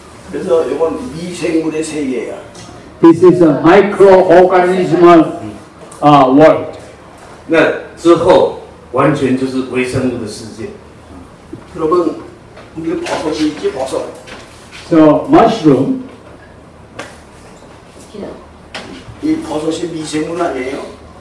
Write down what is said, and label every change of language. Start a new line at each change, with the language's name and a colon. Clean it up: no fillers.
Korean: 그래서 이건 미생물의 세계야.
English: This is a microorganism world.
Chinese: 那之后完全就是微生物的世界.
Korean: 여러분, 이게 버섯이 있지 버섯.
English: So mushroom.
Korean: 이 버섯이 미생물 아니에요?